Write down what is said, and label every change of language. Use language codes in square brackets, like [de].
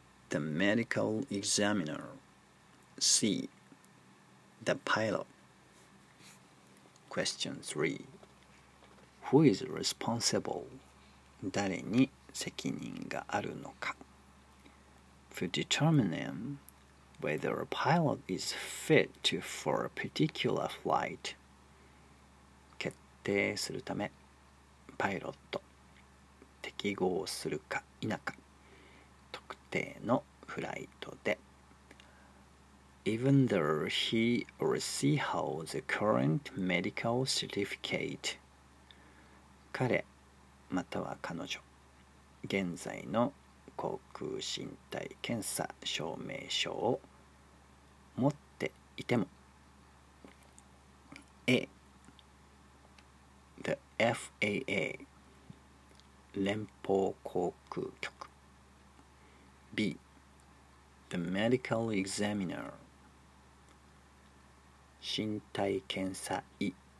[en] The medical examiner. C. The pilot. Question 3. Who is responsible? [ja] 誰に責任があるのか? [en] For determining whether a pilot is fit to for a particular flight. [ja] 決定するため、パイロット、適合するか否か。特定のフライトで。 [en] Even though he or she holds a current medical certificate. [ja] 彼または彼女、現在の航空身体検査証明書を持っていても。 [en] A. The FAA [ja] 連邦航空局。 [en] B. The medical examiner [ja] 身体検査医。